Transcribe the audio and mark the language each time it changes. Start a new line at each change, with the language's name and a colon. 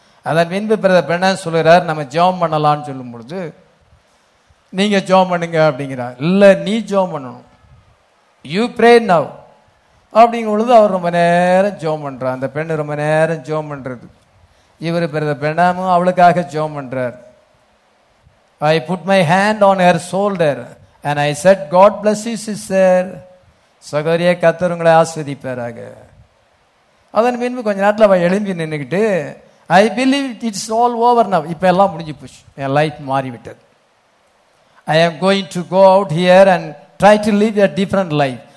Tamil: அதன் பின்பு பிரதர் பிரணாம் சொல்கிறார், நம்ம ஜோம் பண்ணலான்னு சொல்லும் பொழுது நீங்க ஜோம் பண்ணுங்க அப்படிங்கிறார். இல்லை, நீ ஜோம் பண்ணணும்,
English: you pray now
Tamil: அப்படிங்கும் பொழுது அவர் ரொம்ப நேரம் ஜோம் பண்ணுறார். அந்த பெண் ரொம்ப நேரம் ஜோம் பண்ணுறது. இவர் பிரதர் பிரணாமும் அவளுக்காக ஜோம் பண்ணுறார்.
English: I put my hand on her shoulder and I said, God bless you, sister.
Tamil: சகோதரியே, கர்த்தர் உங்களை ஆசீர்வதிப்பாராக. அதன் பின்பு கொஞ்ச நேரத்தில் அவள் எழும்பி நின்றுக்கிட்டு,
English: I believe it's all over now.
Tamil: இப்போ எல்லாம் முடிஞ்சு போச்சு, என் லைஃப் மாறிவிட்டது.
English: I am going to go out here and try to live a different life.